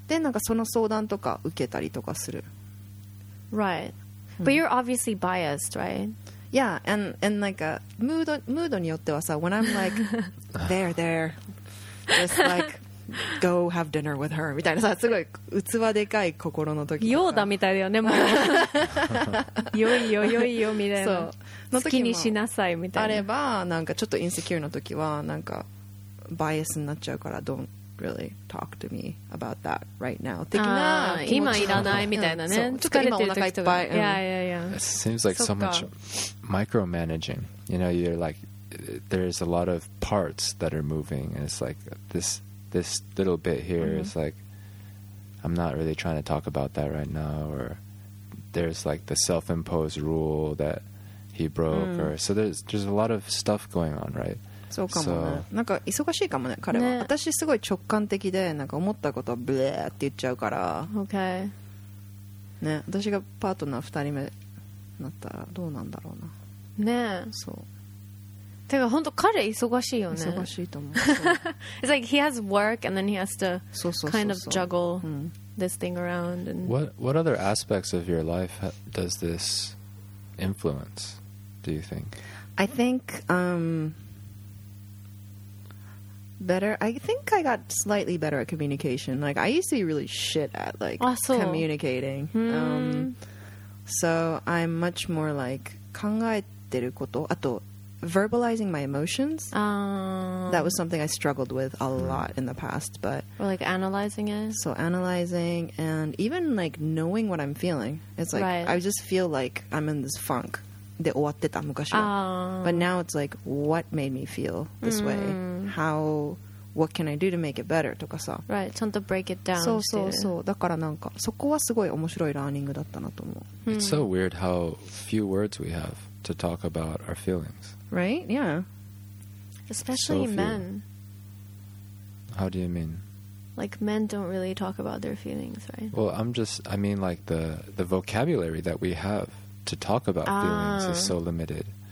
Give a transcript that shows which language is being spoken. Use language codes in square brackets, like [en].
[ja] で、なんかその相談とか受けたりとかする。 [en] Right. But you're obviously biased, right? Yeah, and like a mood [ja] によってはさ、 [en] when I'm like, there. Just like go have dinner with her [ja] みたいなさすごい器でかい心の時ヨーダみたいだよねもうよいよよいよみたいなそうの時好きにしなさいみたいなあればなんかちょっとインセキュアの時はなんかバイアスになっちゃうから [en] don't really talk to me about that right now [ja] 的な今いらないみたいなね、うん、ちょっと今お腹いっぱい、 [en] うん、yeah, yeah, yeah. It seems like so much micromanaging you know you're likeThere's a lot of parts that are moving, and it's like this little bit here、mm-hmm. is like I'm not really trying to talk about that right now. Or there's like the self-imposed rule that he broke,、mm. or so there's a lot of stuff going on, right? [ja] そうかもね。なんか忙しいかもね。彼は、ね、私すごい直感的でなんか思ったことをブレーって言っちゃうから。 [en] Okay. [ja] ね、私がパートナー二人目になったらどうなんだろうな。ね。そう。てか本当彼忙しいよね。忙しいと思う。 [en] It's like he has work and then he has to kind of juggle this thing around. And what other aspects of your life does this influence? Do you think? I think better. I think I got slightly better at communication. Like I used to be really shit at like communicating. So I'm much more like [ja] 考えてること。 [en] あとverbalizing my emotions that was something I struggled with a lot in the past but or like analyzing it so analyzing and even like knowing what I'm feeling it's like、right. I just feel like I'm in this funk [ja] で終わってた昔は、 [en] but now it's like what made me feel this、mm-hmm. way how what can I do to make it better [ja] とかさ [en] right [ja] ちゃんと [en] break it down [ja] そうそうそうだからなんかそこはすごい面白いラーニングだったなと思う [en] it's so weird how few words we have to talk about our feelings Right? Yeah. Especially、so、men. How do you mean? Like men don't really talk about their feelings, right? Well, I mean like the vocabulary that we have to talk about、feelings is so limited.